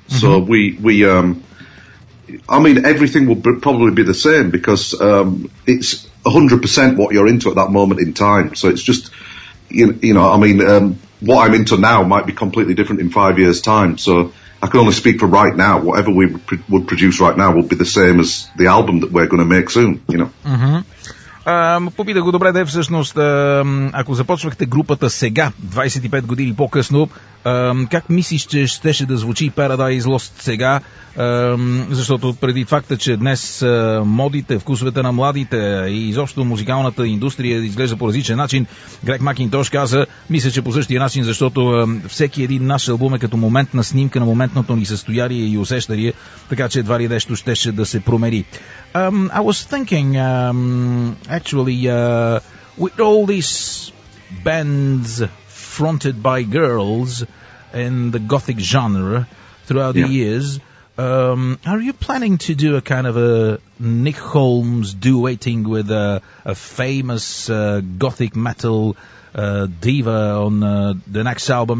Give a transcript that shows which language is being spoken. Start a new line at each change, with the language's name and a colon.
English: Mm-hmm. So everything will probably be the same because it's 100% what you're into at that moment in time. So it's just, what I'm into now might be completely different in 5 years' time. So I can only speak for right now. Whatever we would produce right now will be the same as the album that we're going to make soon, you know. Mm-hmm.
Bulgarian: Попитах го, добре, де всъщност, ако започвахте групата сега, 25 години по-късно, как мислиш, че щеше да звучи Paradise Lost сега? Защото преди факта, че днес модите, вкусовете на младите и изобщо музикалната индустрия изглежда по различен начин, Грег Макинтош каза, мисля, че по същия начин, защото всеки един наш албум е като моментна снимка на моментното ни състояние и усещане, така че едва ли нещо щеше да се промери.
English: I was thinking, actually, with all these bands fronted by girls in the gothic genre throughout the years, are you planning to do a kind of a Nick Holmes duetting with a famous gothic metal diva on the next album?